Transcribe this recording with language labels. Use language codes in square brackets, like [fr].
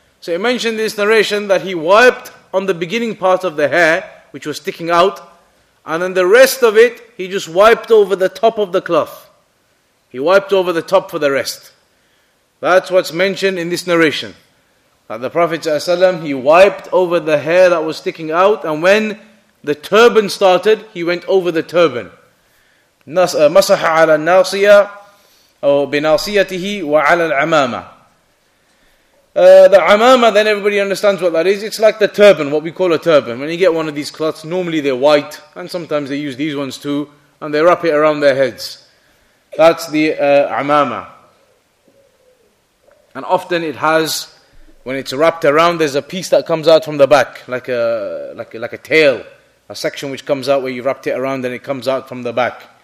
[en] So he mentioned this narration that he wiped on the beginning part of the hair, which was sticking out, and then the rest of it, he just wiped over the top of the cloth. He wiped over the top for the rest. That's what's mentioned in this narration. That the Prophet ﷺ, he wiped over the hair that was sticking out, and when the turban started, he went over the turban. [ar] مَسَحَ عَلَى النَّاصِيَةِ أو بناصيته وعلى العمامة. [en] The amama, then everybody understands what that is. It's like the turban, what we call a turban. When you get one of these cloths, normally they're white, and sometimes they use these ones too, and they wrap it around their heads. That's the amama. And often it has, when it's wrapped around, there's a piece that comes out from the back, like a tail, a section which comes out where you wrapped it around and it comes out from the back.